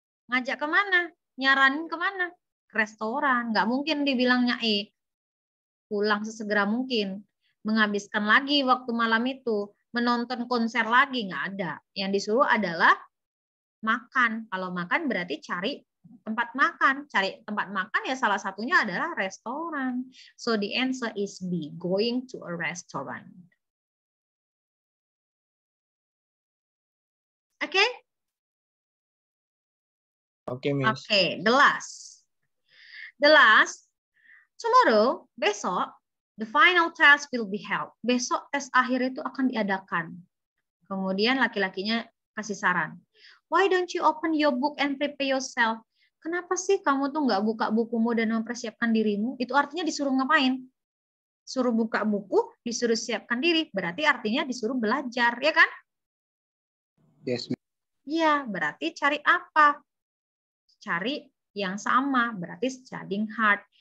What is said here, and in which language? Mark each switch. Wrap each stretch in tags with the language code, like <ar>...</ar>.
<id>Ngajak kemana? Nyaranin kemana? Restoran, nggak mungkin dibilangnya pulang sesegera mungkin, menghabiskan lagi waktu malam itu, menonton konser lagi, nggak ada. Yang disuruh adalah makan. Kalau makan berarti cari tempat makan. Cari tempat makan ya salah satunya adalah restoran.</id> <en>So the answer is B, going to a restaurant. Okay? Okay, miss. Okay, the last. The last, tomorrow,</en> <id>besok,</id> <en>the final test will be held.</en> <id>Besok tes akhir itu akan diadakan. Kemudian laki-lakinya kasih saran.</id> <en>Why don't you open your book and prepare yourself?</en> <id>Kenapa sih kamu tuh nggak buka bukumu dan mempersiapkan dirimu? Itu artinya disuruh ngapain? Suruh buka buku, disuruh siapkan diri. Berarti artinya disuruh belajar, ya kan?</id> <en>Yes, ma'am.</en> <id>Ya, berarti cari apa? Cari yang sama, berarti</id> <en>studying hard.</en>